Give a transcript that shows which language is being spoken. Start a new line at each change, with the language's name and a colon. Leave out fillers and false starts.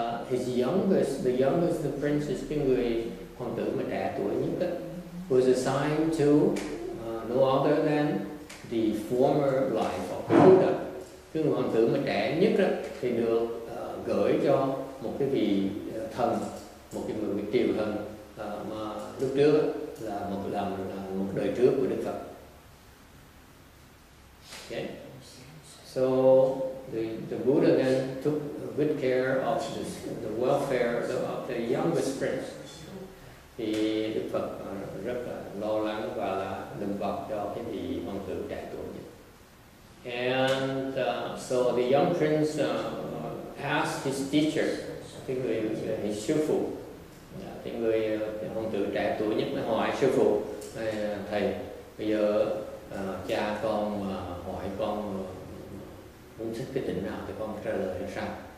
English: His youngest, the prince, is
Vietnamese: cái người hoàng tử mà trẻ tuổi nhất đó,
English: was assigned to no other than the former life of Buddha.
Vietnamese: Cái người hoàng tử mà trẻ nhất đó thì được gửi cho một cái vị thần, một cái người triều thần mà lúc trước là một đời trước của Đức Phật. Okay.
English: So the Buddha then took good care of the welfare of the youngest prince.
Vietnamese: Thì Đức Phật rất là lo lắng và là đùm bọc cho cái vị hoàng tử trẻ tuổi.
English: And so the young prince asked his teacher, his
Vietnamese: sư phụ, tiếng người ông tử trẻ tuổi nhất mới hỏi sư phụ, thầy, bây giờ cha con hỏi con muốn thích cái tỉnh nào thì con trả lời là sao.